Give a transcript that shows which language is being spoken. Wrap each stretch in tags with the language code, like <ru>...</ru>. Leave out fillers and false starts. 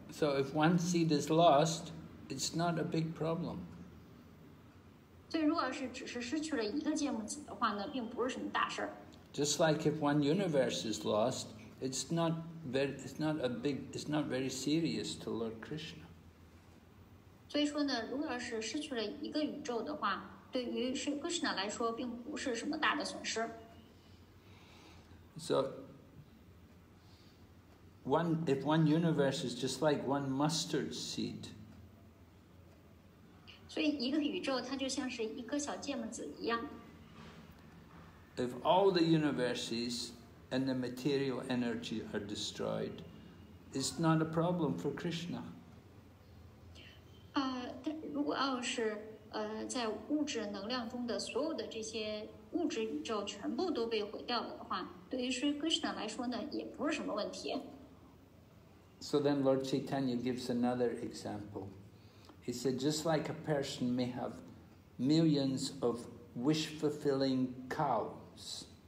<en>So if one seed is lost, it's not a big problem.</en> <zh>所以如果是只是失去了一个芥末籽的话呢，并不是什么大事儿。</zh> <en>Just like if one universe is lost, it's not very serious to Lord Krishna.</en> <zh>所以说呢，如果要是失去了一个宇宙的话，对于 Sri Krishna 来说，并不是什么大的损失。</zh> <en>So, if one universe is just like one mustard seed.</en> <zh>所以一个宇宙它就像是一颗小芥末籽一样。</zh> <en>If all the universes and the material energy are destroyed, it's not a problem for Krishna.</en> <zh>如果要是在物质能量中的所有的这些物质宇宙全部都被毁掉了的话，对于 Sri Krishna 来说呢，也不是什么问题。</zh> <en>So then Lord Chaitanya gives another example. He said, just like a person may have millions of wish-fulfilling cows.</en>